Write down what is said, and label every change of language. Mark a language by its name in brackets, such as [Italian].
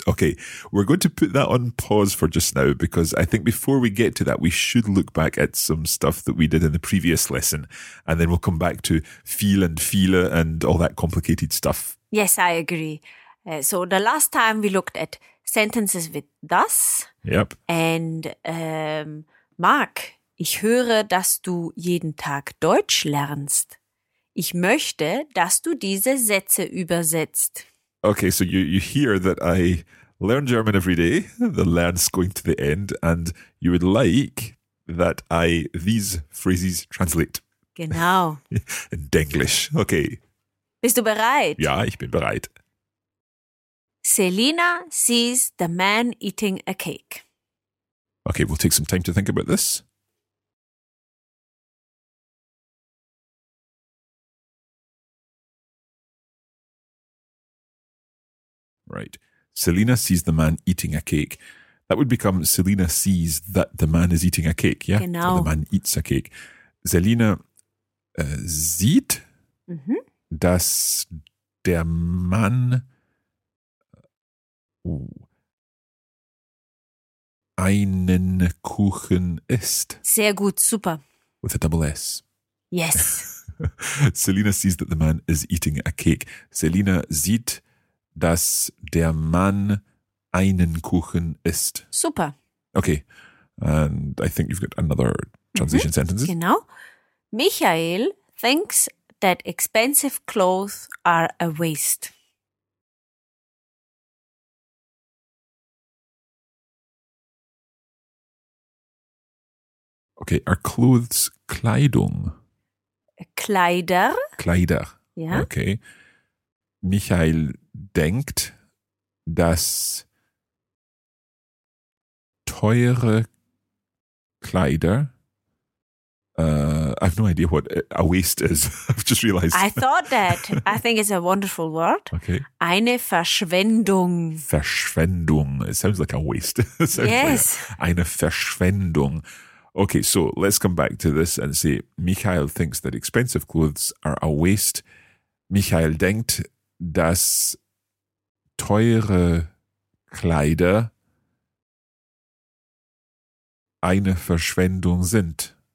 [English] Okay, we're going to put that on pause for just now because I think before we get to that, we should look back at some stuff that we did in the previous lesson and then we'll come back to viel and viele and all that complicated stuff. Yes, I agree. So the last time we looked at sentences with das. Yep. And Mark. [German] Ich höre, dass du jeden Tag Deutsch lernst. Ich möchte, dass du diese Sätze übersetzt. [English] Okay, so you hear that I learn German every day, the learn's going to the end, and you would like that I these phrases translate. [German] Genau. [English] In Denglisch, okay. [German] Bist du bereit? Ja, ich bin bereit. [English] Selina sees the man eating a cake. Okay, we'll take some time to think about this. Right. Selina sees the man eating a cake. That would become Selina sees that the man is eating a cake. Yeah. [German] Genau. [English] So the man eats a cake. [German] Selina sieht, dass der Mann einen Kuchen isst. Sehr gut. Super. [English] With a double S. Yes. Selina sees that the man is eating a cake. [German] Selina sieht, dass der Mann einen Kuchen isst. Super. [English] Okay. And I think you've got another transition sentence. [German] Genau. [English] Michael thinks that expensive clothes are a waste. Okay. Are clothes Kleidung? [German] Kleider. Kleider. Ja. [English] Okay. [German] Michael denkt, dass teure Kleider, [English] I have no idea what a waste is. I've just realized. I thought that. I think it's a wonderful word. Okay. [German] Eine Verschwendung. [English] Verschwendung. It sounds like a waste. Yes. [German] Eine Verschwendung. [English] Okay, so let's come back to this and say, Michael thinks that expensive clothes are a waste. [German] Michael denkt, dass teure Kleider eine Verschwendung sind.